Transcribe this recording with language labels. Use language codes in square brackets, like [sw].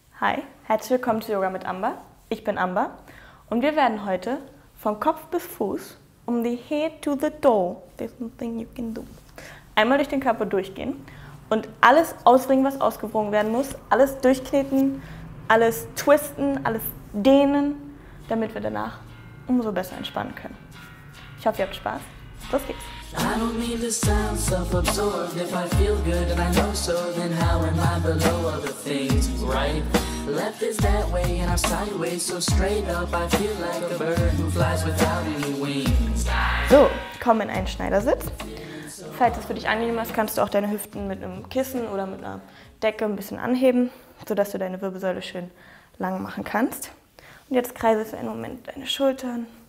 [de] Hi, herzlich willkommen zu Yoga mit Amber. Ich bin Amber und wir werden heute vom Kopf bis Fuß um die [en] Head to the Toe, there's something you can do, [de] einmal durch den Körper durchgehen und alles ausringen, was ausgewogen werden muss, alles durchkneten, alles twisten, alles dehnen, damit wir danach umso besser entspannen können. Ich hoffe, ihr habt Spaß. Los geht's! [en] I don't mean to sound self-absorbed. If I feel good and I know so, then how am I below other things? Right, left is that way and I'm sideways. So straight up, I feel like a bird who flies without any wings. [de] So, komm in einen Schneidersitz. Falls es für dich angenehm ist, kannst du auch deine Hüften mit einem Kissen oder mit einer Decke ein bisschen anheben, sodass du deine Wirbelsäule schön lang machen kannst. Und jetzt kreise für einen Moment deine Schultern.